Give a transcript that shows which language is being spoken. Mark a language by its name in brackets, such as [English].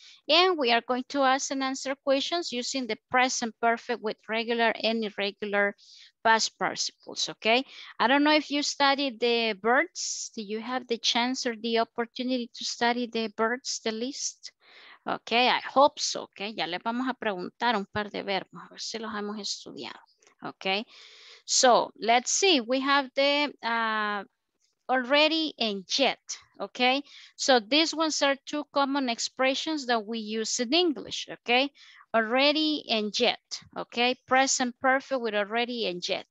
[English] And we are going to ask and answer questions using the present perfect with regular and irregular past participles, okay? I don't know if you studied the birds. Do you have the chance or the opportunity to study the birds, the list? Okay, I hope so, okay? [Spanish] Ya les vamos a preguntar un par de verbos, a ver si los hemos estudiado, okay? [English] So let's see, we have the already and yet. Okay, so these ones are two common expressions that we use in English, okay? Already and yet, okay? Present perfect with already and yet.